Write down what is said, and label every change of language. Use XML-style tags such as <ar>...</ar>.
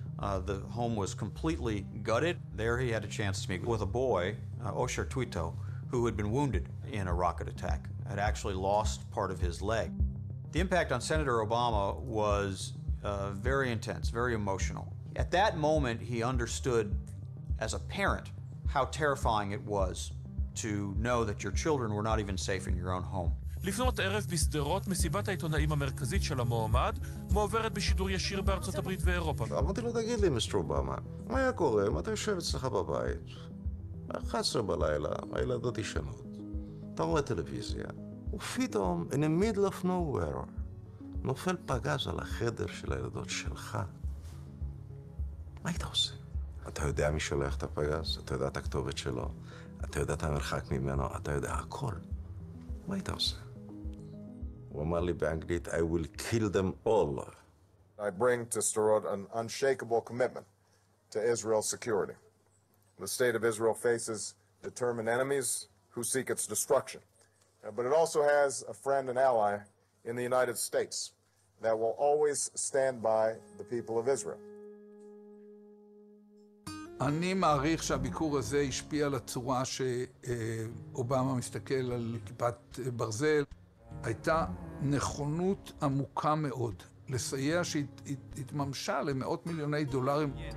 <en>The home was completely gutted. There he had a chance to meet with a boy, Osher Tuito, who had been wounded in a rocket attack, had actually lost part of his leg. The impact on Senator Obama was very intense, very emotional. At that moment, he understood, as a parent, how terrifying it was to know that your children were not even safe in your own home.</en> <he>לפנות ערב בסדרות, מסיבת העיתונאים המרכזית של המועמד, מועברת בשידור ישיר בארצות הברית ואירופה. אמרתי לו, תגיד לי, מיסטר אובמה, מה היה קורה? מה אתה יושב אצלך בבית? 11 בלילה, הילדות ישנות. אתה רואה טלוויזיה, ופתאום,</he> <en>in the middle of nowhere,</en> <he>נופל פגז על החדר של הילדות שלך. מה היית עושה? אתה יודע מי שולח את הפגז? אתה יודע את הכתובת שלו? אתה יודע את המרחק ממנו? אתה יודע הכל. מה היית עושה? הוא אמר לי באנגלית,</he> <en>I will kill them all. I bring to Sderot an unshakable commitment to Israel's security. The state of Israel faces determined enemies who seek its destruction. But it also has a friend and ally in the United States that will always stand by the people of Israel.</en> <he>אני מעריך שהביקור הזה השפיע על הצורה שאובמה מסתכל על כיפת ברזל. הייתה נכונות עמוקה מאוד לסייע שהתממשה למאות מיליוני דולרים.</he>